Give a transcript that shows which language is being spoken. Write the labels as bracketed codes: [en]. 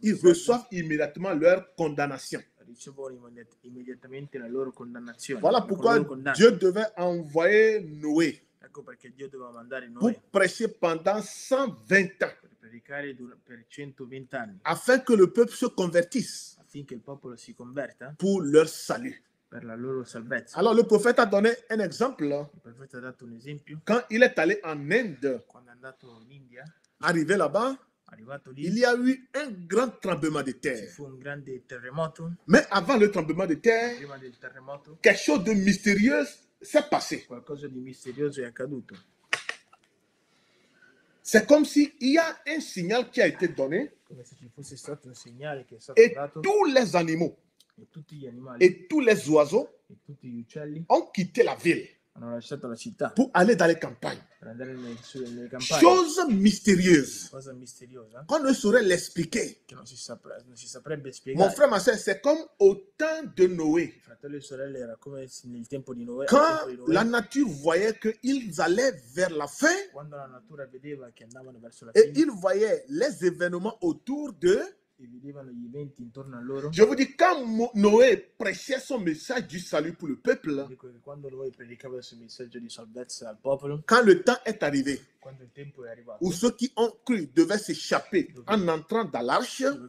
[fr] ils reçoivent immédiatement leur condamnation. [it] Ricevono immediatamente la loro condannazione. [fr] Voilà pourquoi Dieu devait envoyer Noé. [it] Ecco perché Dio doveva mandare Noè. [fr] Pour prêcher pendant 120 ans. [it] Per predicare per 120 anni. [fr] Afin que le peuple se convertisse. [it] Affinché il popolo si converta. [fr] Pour leur salut. [it] Per la loro salvezza. Allora, il profeta ha [fr] donné [it] un esempio. Il profeta ha dato un esempio. [fr] Quand il est allé en Inde, [it] quando è andato in India, [fr] arrivé là-bas, [it] arrivato lì, [fr] il y a eu un grand tremblement de terre. [it] Ci fu un grande terremoto. [fr] Mais avant le tremblement de terre, [it] prima del terremoto, [fr] quelque chose de mystérieux s'est passé. [it] Qualcosa di misterioso è accaduto. [fr] C'est comme si il y a un signal qui a été donné. [it] Come se ci fosse stato un segnale che è stato [fr] et [it] dato. [fr] Tous les animaux. [it] E tutti gli animali, [fr] et tous les oiseaux [it] e tutti gli uccelli, [fr] ont quitté la ville [it] hanno lasciato la città, [fr] pour aller dans les campagnes. [it] Per andare nelle campagne. [fr] Chose mystérieuse. [it] Cosa misteriosa. [fr] Qu'on ne saurait l'expliquer. [it] Che non si saprebbe spiegare. [fr] Mon frère, ma sœur, c'est comme au temps de Noé. [it] Fratello e sorelle, era come nel tempo di Noè. [fr] Quand la nature voyait qu'ils allaient vers la fin. [it] Quando la natura vedeva che andavano verso la [fr] fine. Et ils voyaient les événements autour d'eux. Je vous dis, quand Noé prêchait son message du salut pour le peuple, quand le temps est arrivé, où ceux qui ont cru devaient s'échapper en entrant dans l'arche,